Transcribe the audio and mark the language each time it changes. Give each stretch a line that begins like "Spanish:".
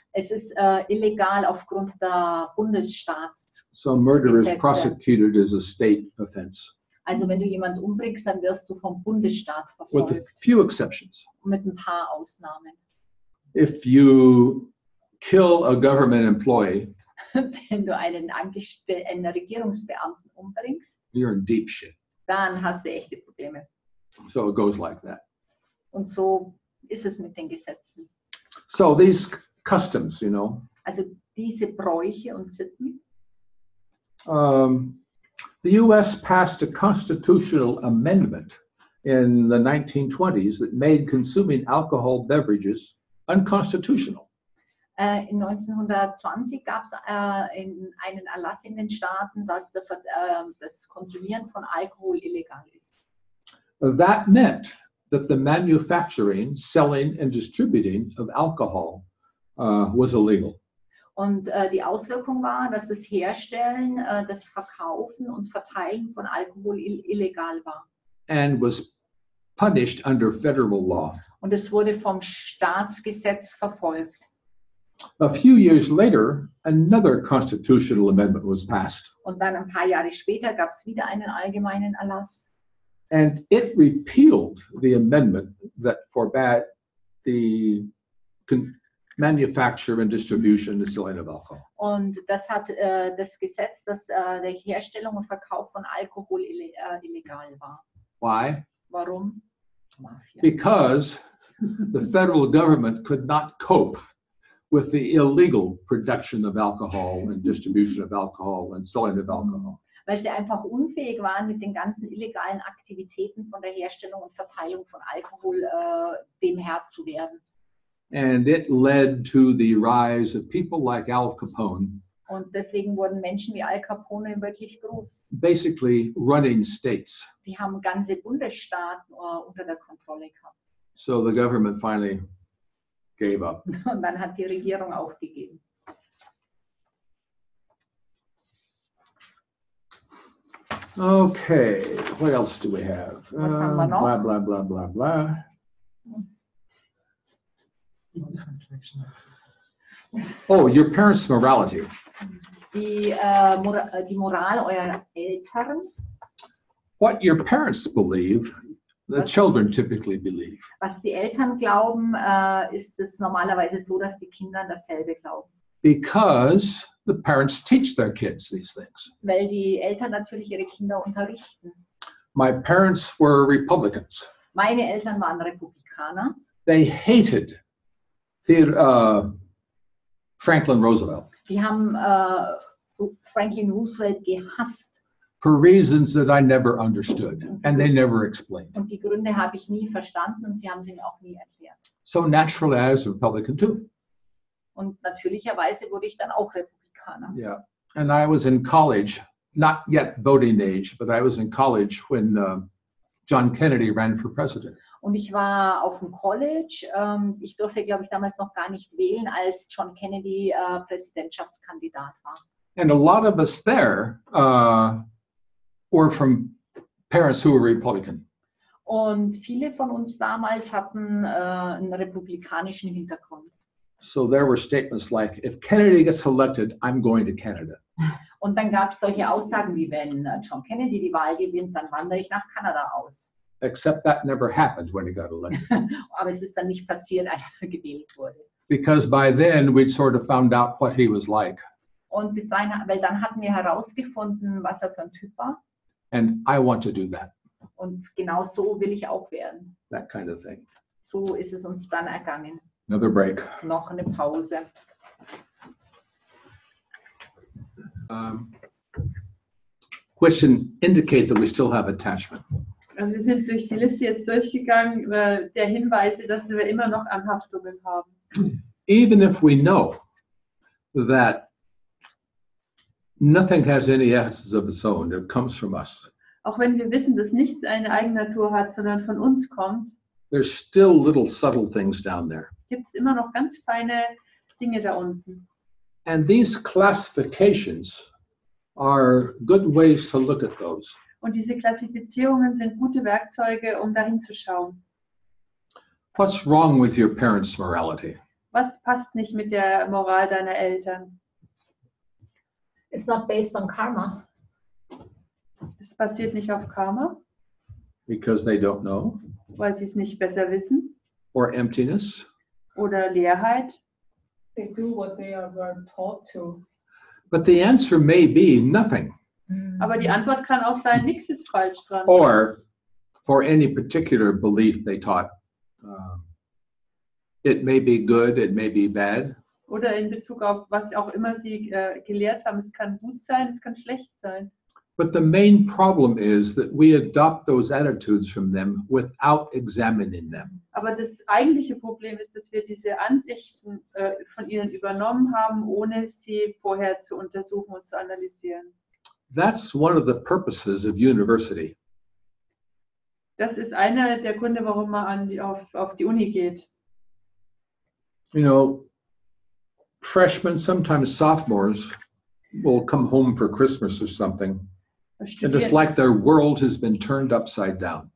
German: Es ist illegal aufgrund der Bundesstaatsgesetze.
English: So murder is prosecuted as a state offense.
German: Also wenn du jemanden umbringst, dann wirst du vom Bundesstaat verfolgt.
English: With a few exceptions.
German: Mit ein paar Ausnahmen.
English: If you kill a government employee,
German: wenn du einen einen Regierungsbeamten umbringst,
English: you're in deep shit.
German: Dann hast du echte Probleme.
English: So it goes like that.
German: Und so ist es mit den Gesetzen.
English: So these customs, you know.
German: Also diese Bräuche und Sitten.
English: The US passed a constitutional amendment in the 1920s that made consuming alcohol beverages unconstitutional.
German: In 1920 gab es einen Erlass in den Staaten, dass das Konsumieren von Alkohol illegal ist.
English: That meant that the manufacturing, selling and distributing of alcohol was illegal.
German: Und die Auswirkung war, dass das Herstellen, das Verkaufen und Verteilen von Alkohol illegal war.
English: And was punished under federal law.
German: Und es wurde vom Staatsgesetz verfolgt.
English: A few years later, another constitutional amendment was passed.
German: Und dann ein paar Jahre später gab es wieder einen allgemeinen Erlass.
English: And it repealed the amendment that forbade the manufacture and distribution and selling of alcohol.
German: Und das hat das Gesetz, dass der Herstellung und Verkauf von Alkohol illegal war.
English: Why?
German: Warum?
English: Because the federal government could not cope with the illegal production of alcohol and distribution of alcohol and selling of alcohol.
German: Weil sie einfach unfähig waren, mit den ganzen illegalen Aktivitäten von der Herstellung und Verteilung von Alkohol dem Herr zu werden.
English: And it led to the rise of people like Al Capone.
German: Und deswegen wurden Menschen wie Al Capone wirklich groß.
English: Basically running states.
German: Die haben ganze Bundesstaaten unter der Kontrolle gehabt.
English: So the government finally gave up.
German: Und dann hat die Regierung aufgegeben.
English: Okay, what else do we have?
German: Was haben wir noch?
English: Blah, blah, blah, blah, blah. Oh, your parents' morality.
German: Die Moral eurer Eltern.
English: What your parents believe, the children typically believe.
German: Was die Eltern glauben, ist es normalerweise so, dass die Kinder dasselbe glauben.
English: Because the parents teach their kids these things.
German: Weil die Eltern natürlich ihre Kinder unterrichten.
English: My parents were Republicans.
German: Meine Eltern waren Republikaner.
English: They hated Franklin Roosevelt.
German: Sie haben Franklin Roosevelt gehasst.
English: for reasons that I never understood, and they never explained.
German: Und die Gründe habe ich nie verstanden und sie haben sie mir auch nie erklärt.
English: So naturally, I was Republican too.
German: Und natürlicherweise wurde ich dann auch Republikaner.
English: Yeah, and I was in college, not yet voting age, but I was in college when John Kennedy ran for president.
German: Und ich war auf dem College. Ich durfte, glaube ich, damals noch gar nicht wählen, als John Kennedy Präsidentschaftskandidat war.
English: And a lot of us there were from parents who were Republican.
German: Und viele von uns damals hatten einen republikanischen Hintergrund.
English: So there were statements like, if Kennedy gets elected, I'm going to Canada.
German: Und dann gab es solche Aussagen wie, wenn John Kennedy die Wahl gewinnt, dann wandere ich nach Kanada aus.
English: Except that never happened when he got elected.
German: Aber es ist dann nicht passiert, als er gewählt wurde.
English: Because by then we'd sort of found out what he was like.
German: Und bis dahin, weil dann hatten wir herausgefunden, was er für ein Typ war.
English: And I want to do that.
German: Und genau so will ich auch werden.
English: That kind of thing.
German: So ist es uns dann ergangen.
English: Another break.
German: Noch eine Pause.
English: Question indicate that we still have attachment.
German: Also wir sind durch die Liste jetzt durchgegangen, der Hinweise, dass wir immer noch Anhaftungen haben.
English: Even if we know that nothing has any essence of its own, it comes from us.
German: Auch wenn wir wissen, dass nichts eine Eigennatur hat, sondern von uns kommt.
English: There's still little subtle things down there.
German: Gibt's immer noch ganz feine Dinge da unten.
English: And these classifications are good ways to look at those.
German: Und diese Klassifizierungen sind gute Werkzeuge, um dahin zu schauen.
English: What's wrong with your parents' morality?
German: Was passt nicht mit der Moral deiner Eltern?
English: It's not based on karma.
German: Es basiert nicht auf Karma.
English: Because they don't know.
German: Weil sie es nicht besser wissen.
English: Or emptiness.
German: Oder Leerheit.
English: They do what they are taught to. But the answer may be nothing.
German: Aber die Antwort kann auch sein, nichts ist falsch dran.
English: Or for any particular belief they taught. It may be good, it may be bad.
German: Oder in Bezug auf was auch immer sie gelehrt haben, es kann gut sein, es kann schlecht sein.
English: But the main problem is that we adopt those attitudes from them without examining them.
German: Aber das eigentliche Problem ist, dass wir diese Ansichten von ihnen übernommen haben, ohne sie vorher zu untersuchen und zu analysieren.
English: That's one of the purposes of university.
German: Das ist einer der Gründe, warum man auf die Uni geht.
English: You know, freshmen, sometimes sophomores, will come home for Christmas or something. And it's like their world has been turned upside down.